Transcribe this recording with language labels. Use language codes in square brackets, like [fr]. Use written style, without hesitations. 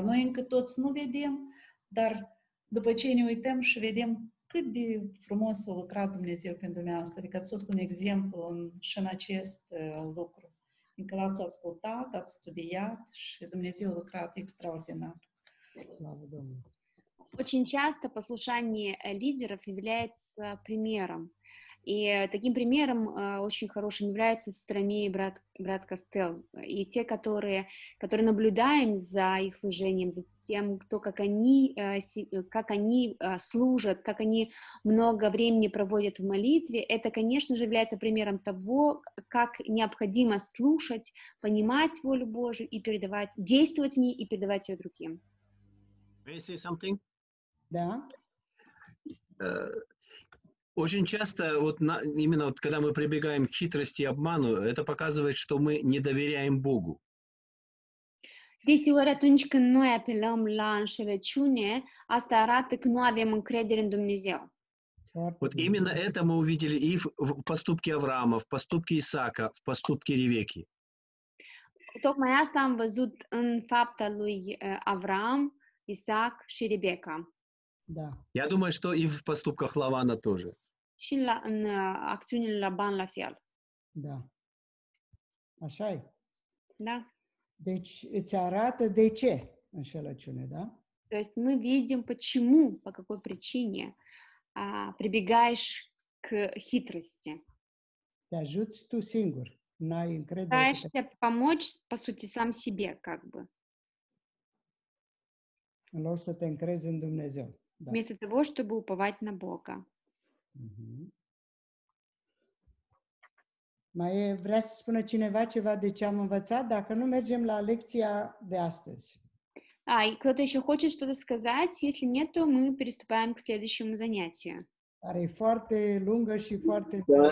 [ro] Noi încă toți nu vedem, dar după ce ne uităm și vedem cât de frumos a lucrat Dumnezeu pentru dumneavoastră. Adică ați fost un exemplu în, și în acest lucru. Încă l-ați ascultat, ați studiat și Dumnezeu a lucrat extraordinar. [ru] Очень часто послушание лидеров является примером. И таким примером очень хорошим является Страми и брат Костел. И те, которые наблюдаем за их служением, за тем, кто, как они служат, как они много времени проводят в молитве, это, конечно же, является примером того, как необходимо слушать, понимать волю Божию и передавать, действовать в ней и передавать ее другим. [en] May I say something? [ru] Да. Очень часто, вот именно вот, когда мы прибегаем к хитрости и обману, это показывает, что мы не доверяем Богу. [ro] Desigur, atunci când noi apelăm la înșelăciune, asta arată că nu avem încredere în Dumnezeu. [ru] Вот именно это мы увидели и в поступке Авраама, в поступке Исаака, в поступке Ревеки. [ro] Tocmai asta am văzut în fapta lui Авраам, Исаак și Ребека. [ru] Да. Я думаю, что и в поступках Лавана тоже. [ro] Și la, în acțiunile Laban la fel. Da. Așa e? Da. Deci îți arată de ce înșelăciune, da? [ru] То есть мы видим, почему, по какой причине прибегаешь к хитрости. [ro] Te ajuți tu singur, n-ai încredere. [ru] Стараешься помочь, по сути, сам себе, как бы. [ro] În loc să te încrezi în Dumnezeu. [ru] Да. Вместо того, чтобы уповать на Бога. [ro] Mai e, vrea să spună cineva ceva de ce am învățat, dacă nu mergem la lecția de astăzi. [ru] Ai, кто-то ещё хочет что-то сказать? Если нет, то мы приступаем к следующему занятию. [ro] Are foarte lungă și foarte...